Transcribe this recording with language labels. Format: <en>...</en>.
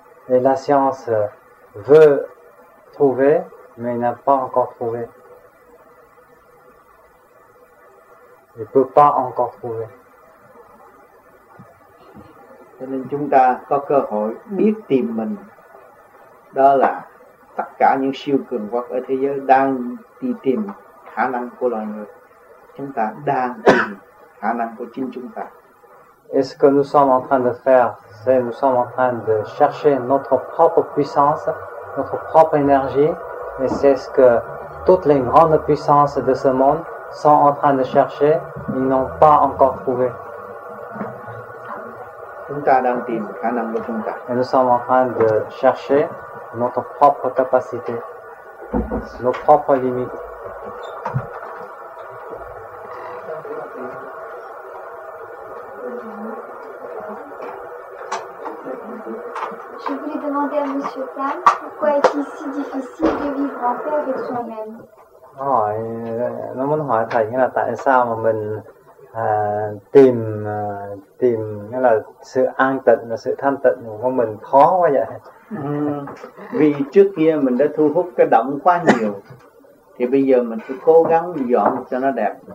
<fr>Et la science veut trouver, mais n'a pas encore trouvé. Elle ne peut pas encore trouver.</fr> <vi>Cho nên chúng ta có cơ hội biết tìm mình. Đó là tất cả những siêu cường quốc ở thế giới đang đi tìm khả năng của loài người. Chúng ta đang tìm khả năng của chính chúng ta.</vi> <fr>Et ce que nous sommes en train de faire, c'est nous sommes en train de chercher notre propre puissance, notre propre énergie, et c'est ce que toutes les grandes puissances de ce monde sont en train de chercher, ils n'ont pas encore trouvé.</fr> <vi>Chúng ta đang tìm khả năng của chúng ta.</vi> <fr>Et nous sommes en train de chercher notre propre capacité, nos propres limites. Je voulais demander à M. Tan pourquoi est-il si difficile de vivre en paix avec soi-même.</fr> <vi>Hỏi, nó muốn hỏi thầy nghĩa là tại sao mà mình tìm tìm nghĩa là sự an tịnh và sự thanh tịnh của mình khó quá vậy? Vì trước kia mình đã thu hút cái động quá nhiều, thì bây giờ mình cứ cố gắng dọn cho nó đẹp.</vi>